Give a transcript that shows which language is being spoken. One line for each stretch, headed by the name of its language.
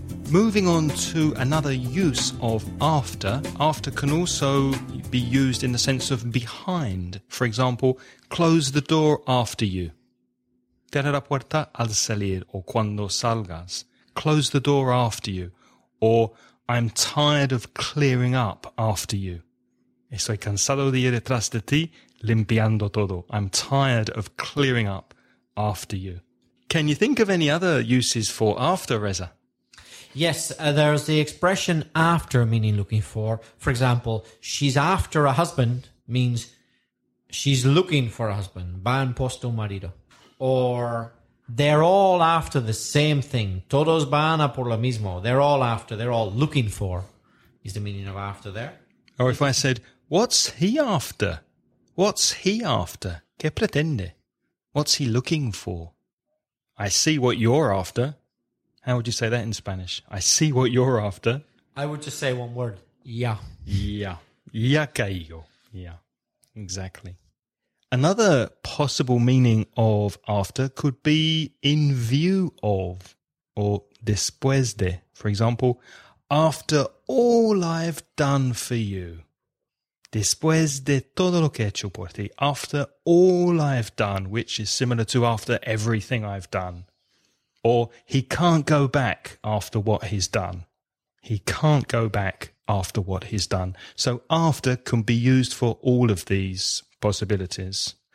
English: Moving on to another use of after. After can also be used in the sense of behind. For example, close the door after you.
Spanish: Cierra la puerta al salir o cuando salgas.
English: Close the door after you. Or I'm tired of clearing up after you.
Spanish: Estoy cansado de ir detrás de ti limpiando todo.
English: I'm tired of clearing up after you. Can you think of any other uses for after, Reza? Yes, there's the expression after, meaning looking for. For example, she's after a husband means she's looking for a husband.
Spanish: Va en posto marido.
English: Or they're all after the same thing.
Spanish: Todos van a por lo mismo.
English: They're all after. They're all looking for is the meaning of after there. Or if I said, what's he after? What's he after?
Spanish: ¿Qué pretende?
English: What's he looking for? I see what you're after. How would you say that in Spanish? I see what you're after. I would just say one word. Ya.
Spanish: Ya. Ya caigo.
English: Yeah, exactly. Another possible meaning of after could be in view of or después de. For example, after all I've done for you.
Spanish: Después de todo lo que he hecho por ti.
English: After all I've done, which is similar to after everything I've done. Or he can't go back after what he's done. He can't go back after what he's done. So after can be used for all of these possibilities.